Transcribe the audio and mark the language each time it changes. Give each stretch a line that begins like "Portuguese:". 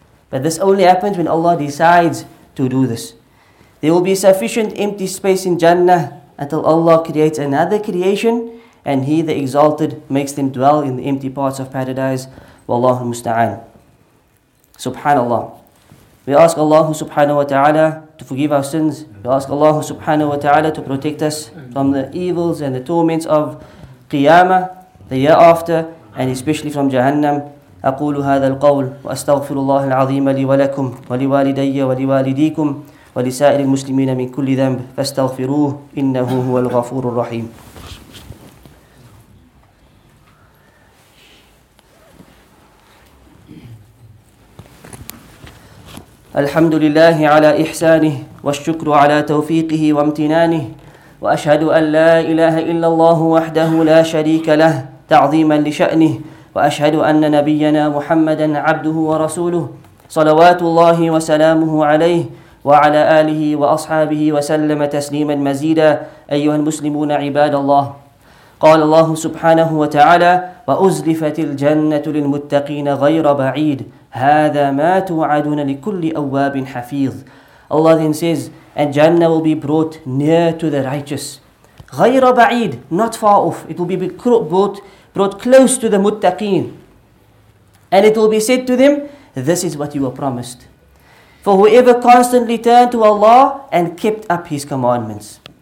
English: But this only happens when Allah decides to do this. There will be sufficient empty space in Jannah until Allah creates another creation, and He, the Exalted, makes them dwell in the empty parts of Paradise. Wallahu musta'an. Subhanallah. We ask Allah subhanahu wa ta'ala to forgive our sins. We ask Allah subhanahu wa ta'ala to protect us from the evils and the torments of Qiyamah, the year after, and especially from Jahannam.
Arabic: أقول هذا القول وأستغفر الله العظيم لي ولكم ولوالدي ولوالديكم ولسائر المسلمين من كل ذنب فاستغفروه إنه هو الغفور الرحيم. الحمد لله على إحسانه والشكر على توفيقه وامتنانه وأشهد أن لا إله إلا الله وحده لا شريك له تعظيما لشأنه وأشهد أن نبينا محمدًا عبده ورسوله صلوات الله وسلامه عليه وعلى آله وأصحابه وسلم تسليمًا مزيدًا. أيها المسلمون عباد الله، قال الله سبحانه وتعالى وأزلفت الجنة للمتقين غير بعيد هذا ما توعدون لكل أواب حفيظ.
English: Allah then says, and Jannah will be brought near to the righteous.
Arabic: غير بعيد,
English: not far off. It will be brought close to the muttaqeen. And it will be said to them, this is what you were promised. For whoever constantly turned to Allah and kept up His commandments.